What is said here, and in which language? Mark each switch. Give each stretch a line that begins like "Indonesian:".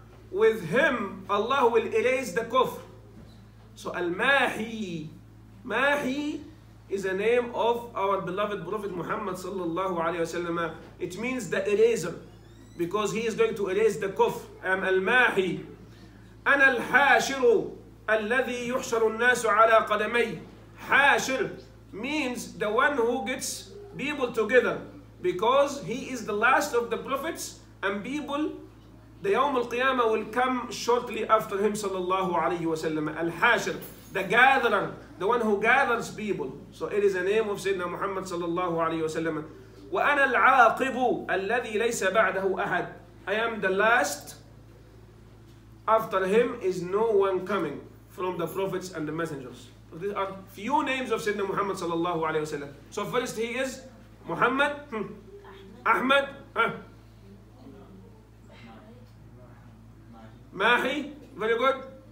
English: With him, Allah will erase the kufr. So al-mahi, mahi is a name of our beloved Prophet Muhammad sallallahu alayhi wasallam. It means the eraser, because he is going to erase the kufr. I am al-mahi.
Arabic: أنا الحاشر الذي يحشر الناس على قدمي.
English: حاشر means the one who gets people together, because he is the last of the prophets, and people, the يوم القيامة will come shortly after him
Arabic: صلى الله عليه وسلم.
English: الحاشر, the gatherer, the one who gathers people. So it is a name of سيدنا محمد
Arabic: صلى الله عليه وسلم. وأنا العاقب الذي ليس بعده أحد.
English: I am the last. After him is no one coming from the prophets and the messengers. So these are few names of Sayyidina Muhammad sallallahu alayhi wa sallam. So first he is Muhammad, Ahmad, Mahi, very good.